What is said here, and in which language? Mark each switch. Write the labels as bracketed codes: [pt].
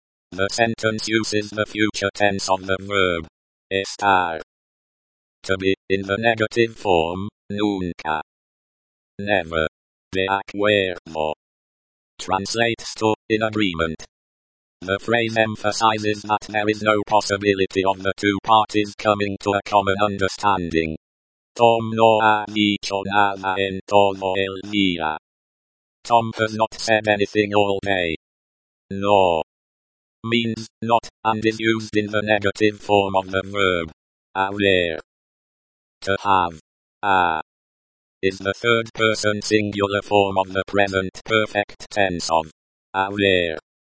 [en] The sentence uses the future tense of the verb estar, to be, in the negative form, nunca, never, de acuerdo, translates to, in agreement. The phrase emphasizes that there is no possibility of the two parties coming to a common understanding. [es] Tom no ha dicho nada en todo el día. [en] Tom has not said anything all day. No means not, and is used in the negative form of the verb haber, to have. A is the third person singular form of the present perfect tense of haber.